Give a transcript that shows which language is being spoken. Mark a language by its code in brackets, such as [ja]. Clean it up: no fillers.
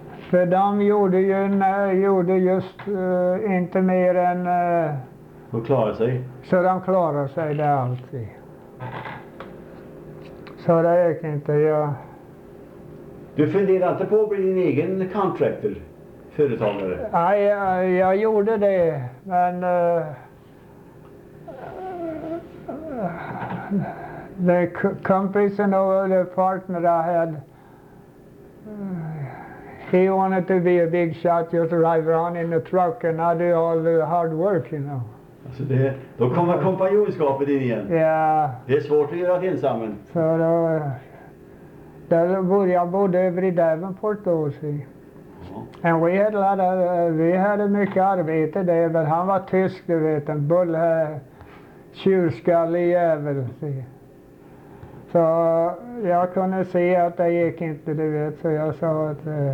[sv] För de gjorde inte mer än. Och klarade sig. Så de klarade sig det alltid. Så det gick inte, ja. Du funderar inte på att bli din egen contractor? Nej, jag gjorde det, men [en] the compass and all the partner I had, he wanted to be a big shot, just drive around in the truck and I do all the hard work, you know. [sv] Alltså det, då kommer kompanjonskapet in igen. Ja. Yeah. Det är svårt att göra det ensam. Så då jag bodde över i Davenport då, så. [en] And we had a lot of, [sv] vi hade mycket arbete där, men han var tysk, du vet, en bull här, tjurskallig jävel, så jag kunde se att det gick inte, du vet, så jag sa att.